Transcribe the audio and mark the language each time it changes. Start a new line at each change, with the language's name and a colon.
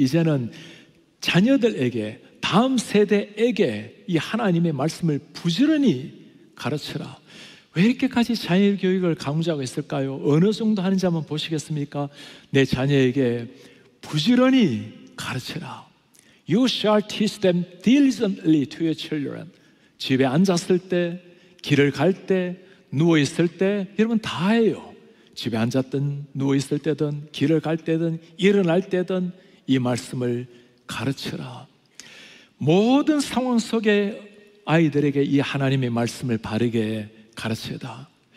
Korean: 이제는 자녀들에게, 다음 세대에게 이 하나님의 말씀을 부지런히 가르치라. 왜 이렇게까지 자녀 교육을 강조하고 있을까요? 어느 정도 하는지 한번 보시겠습니까? 내 자녀에게 부지런히 가르치라.
English: You shall teach them diligently to your children.
Korean: 집에 앉았을 때, 길을 갈 때, 누워있을 때, 여러분 다 해요. 집에 앉았든 누워있을 때든 길을 갈 때든 일어날 때든 이 말씀을 가르쳐라. 모든 상황 속에 아이들에게 이 하나님의 말씀을 바르게 가르쳐다.